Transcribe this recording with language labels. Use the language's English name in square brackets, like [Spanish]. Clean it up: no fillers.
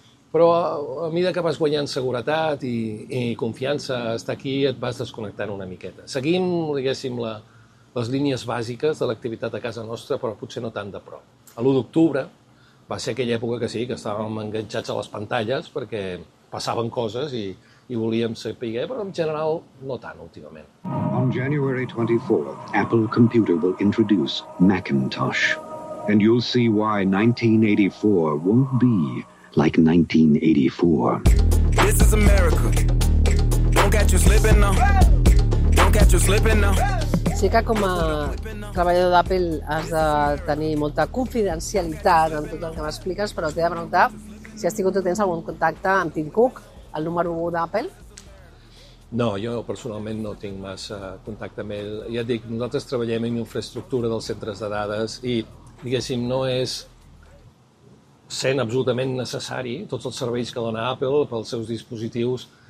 [Catalan] Però a mesura que vas guanyant seguretat i confiança a estar aquí, et vas desconnectant una miqueta. Seguim, diguéssim, les línies bàsiques de l'activitat a casa nostra, però potser no tant de prop. A l'1 d'octubre va ser aquella època que sí, que estàvem enganxats a les pantalles perquè passaven coses i volíem saber, però en general no tant últimament. [English] On January 24th, Apple Computer will introduce Macintosh. And you'll see why 1984 won't be like 1984. This is America. Don't catch you slipping now. Don't catch you slipping now. [Catalan] Sí que com a treballador d'Apple has de tenir molta confidencialitat en tot el que m'expliques, però t'he de preguntar si has tingut o tens algun contacte amb Tim Cook, el número 1 d'Apple? No, jo personalment no tinc massa contacte amb ell. Ja et dic, nosaltres treballem en infraestructura dels centres de dades i, diguéssim, no és sent absolutament necessari tots els serveis que dona Apple pels seus dispositius.